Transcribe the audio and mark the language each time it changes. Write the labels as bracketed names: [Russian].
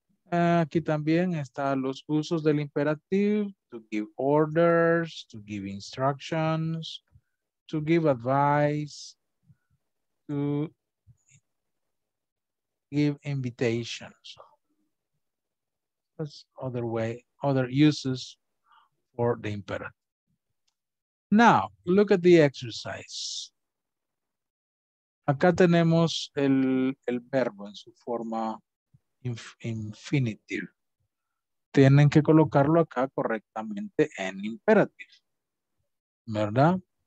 [Spanish] Aquí también están los usos del imperativo, [English] to give orders, to give instructions, to give advice, to give invitations. That's other way, other uses for the imperative. Now, look at the exercise. [Spanish] Acá tenemos el verbo en su forma infinitive. Tienen que colocarlo acá correctamente en imperative. ¿Verdad?